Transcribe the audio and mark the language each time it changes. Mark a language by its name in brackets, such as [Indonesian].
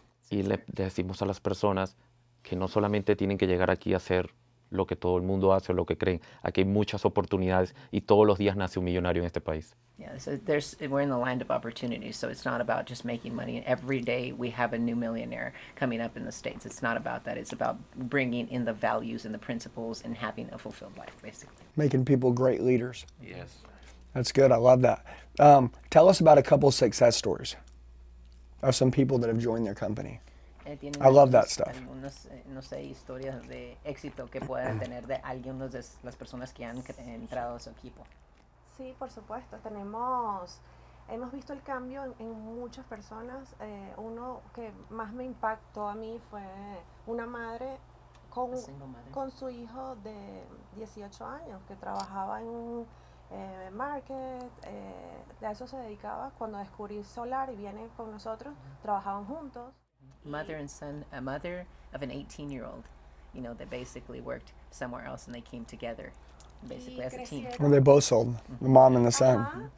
[Spanish] Y le decimos a las personas que no solamente tienen que llegar aquí a hacer lo que todo el mundo hace o lo que creen. Aquí hay muchas oportunidades y todos los días nace un millonario en este país. [English] Yeah, so we're in the land of opportunities, so it's not about just making money. Every day we have a new millionaire coming up in the States. It's not about that. It's about bringing in the values and the principles and having a fulfilled life, basically. Making people great leaders. Yes. That's good. I love that. Tell us about a couple success stories of some people that have joined their company. I love that stuff. [Spanish] No sé, historias de éxito que pueda tener de algunos de las personas que han entrado a su equipo. Sí, por supuesto. Hemos visto el cambio en muchas personas. Uno que más me impactó a mí fue una madre con su hijo de 18 años que trabajaba en market, de eso se dedicaba. Cuando descubrí solar y viene con nosotros, trabajaban juntos. [English] Mother and son, a mother of an 18-year-old, you know, that basically worked somewhere else and they came together, basically as a team. Well, they both sold, the mom and the son.